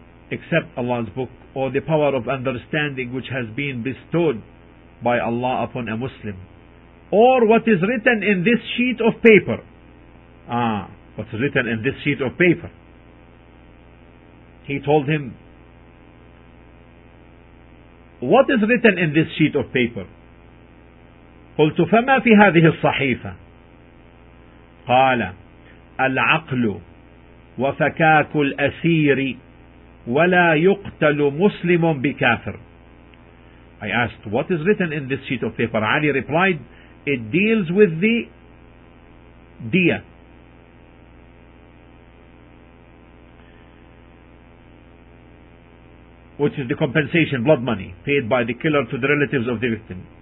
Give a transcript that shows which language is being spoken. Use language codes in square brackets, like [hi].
[en] Except Allah's book, or the power of understanding which has been bestowed by Allah upon a Muslim, or what is written in this sheet of paper. What is written in this sheet of paper? He told him, what is written in this sheet of paper? [ar] قلت فما في هذه الصحيفة. قال العقل وفكاك الأسير ولا يقتل مسلم بكافر. [en] I asked, what is written in this sheet of paper? Ali replied, it deals with the dia. Which is the compensation, blood money, paid by the killer to the relatives of the victim.